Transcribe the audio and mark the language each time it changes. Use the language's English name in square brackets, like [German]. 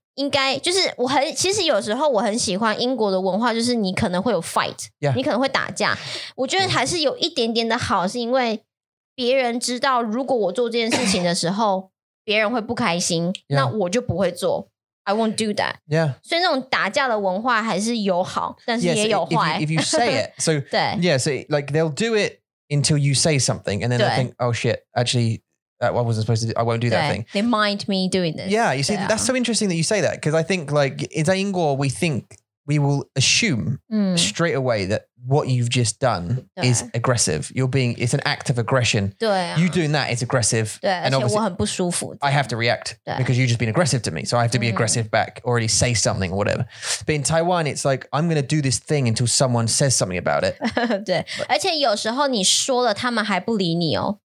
[Chinese] 应该就是我很, 其实有时候我很喜欢英国的文化, 就是你可能会有 fight, 你可能会打架, 我觉得还是有一点点的好, 是因为 别人知道如果我做这件事情的时候 别人会不开心, 那我就不会做。 [English] I won't do that. [Chinese] 所以那种打架的文化还是有好, 但是也有坏。 [English] If you say it, so, so like they'll do it until you say something and then they think, oh shit, actually that I wasn't supposed to do, I won't do that thing. They mind me doing this. Yeah, you see, that's so interesting that you say that, because I think like in 英国, we think we will assume straight away that what you've just done is aggressive. You're being, it's an act of aggression. You doing that is aggressive. And obviously, I have to react because you've just been aggressive to me. So I have to be aggressive back, or at least say something or whatever. But in Taiwan, it's like, I'm going to do this thing until someone says something about it. [Chinese] 而且有时候你说了他们还不理你哦。